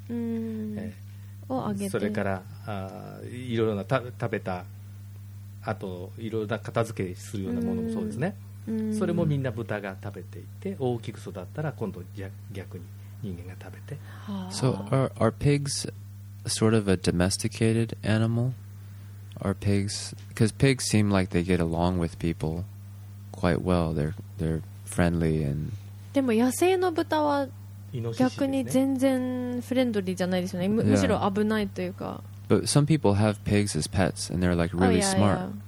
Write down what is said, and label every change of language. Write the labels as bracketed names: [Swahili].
[Japanese] うん、をあげて、それからいろいろな食べたあといろいろな片付けするようなものもそうですね。うん、それもみんな豚が食べていて、大きく育ったら今度 逆に人間が食べて。 [English] So are pigs sort of a domesticated animal? Are pigs, because pigs seem like they get along with people quite well. They're friendly and. [Japanese] でも野生の豚は逆に全然フレンドリーじゃないですよね。むしろ危ないというか。 [English] But some people have pigs as pets, and they're like really smart.